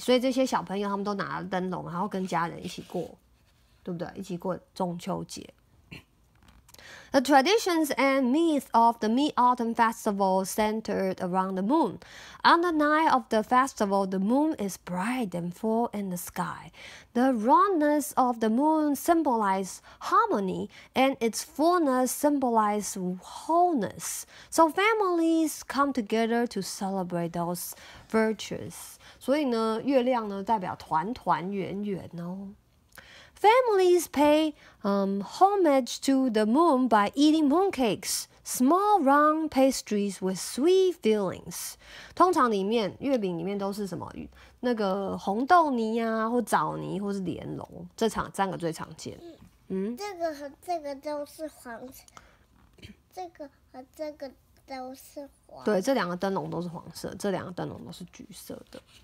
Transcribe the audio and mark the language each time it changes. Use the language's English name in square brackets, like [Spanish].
[Chinese] 所以这些小朋友他们都拿了灯笼，然后跟家人一起过，对不对？一起过中秋节。 [English] The traditions and myths of the Mid-Autumn Festival centered around the moon. On the night of the festival, the moon is bright and full in the sky. The roundness of the moon symbolizes harmony, and its fullness symbolizes wholeness. So families come together to celebrate those virtues. [Chinese] 所以呢，月亮呢代表团团圆圆哦。 [English] Families pay homage to the moon by eating mooncakes, small round pastries with sweet fillings. [Chinese] 通常里面月饼里面都是什么那个红豆泥啊，或枣泥，或是莲蓉，这场三个最常见。嗯，这个都是黄，这个和这个都是黄。对，这两个灯笼都是黄色，这两个灯笼都是橘色的。